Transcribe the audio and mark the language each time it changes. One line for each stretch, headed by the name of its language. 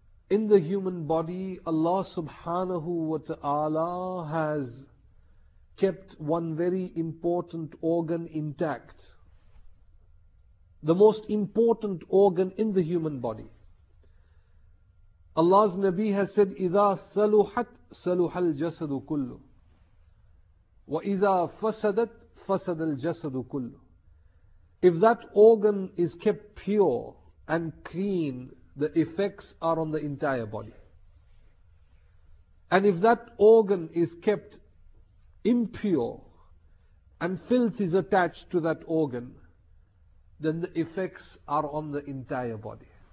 English: In the human body, Allah subhanahu wa ta'ala has kept one very important organ intact. The most important organ in the human body. Allah's Nabi has said,
Arabic: إِذَا سَلُحَتْ سَلُحَ الْجَسَدُ كُلُّ وَإِذَا فَسَدَتْ فَسَدَ الْجَسَدُ كُلُّ.
English: If that organ is kept pure and clean, the effects are on the entire body. And if that organ is kept impure and filth is attached to that organ, then the effects are on the entire body.